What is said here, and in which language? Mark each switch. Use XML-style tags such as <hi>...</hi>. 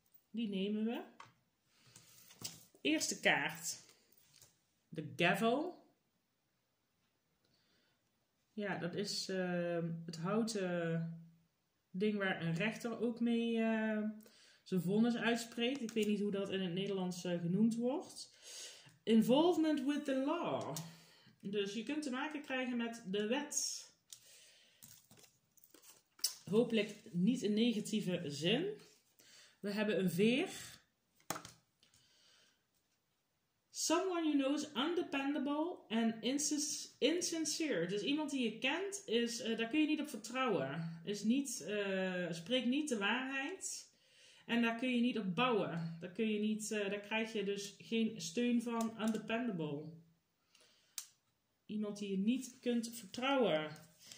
<nl>Die nemen we. Eerste kaart, de gavel. Ja, dat is het houten ding waar een rechter ook mee zijn vonnis uitspreekt. Ik weet niet hoe dat in het Nederlands genoemd wordt.</nl> <en>Involvement with the law.</en> <nl>Dus je kunt te maken krijgen met de wet. Hopelijk niet in negatieve zin. We hebben een veer.</nl> <en>Someone you know is undependable and insincere.</en> <nl>Dus iemand die je kent, is, daar kun je niet op vertrouwen. Is niet, spreekt niet de waarheid. En daar kun je niet op bouwen. Daar, kun je niet, daar krijg je dus geen steun van. Undependable. Iemand die je niet kunt vertrouwen.</nl>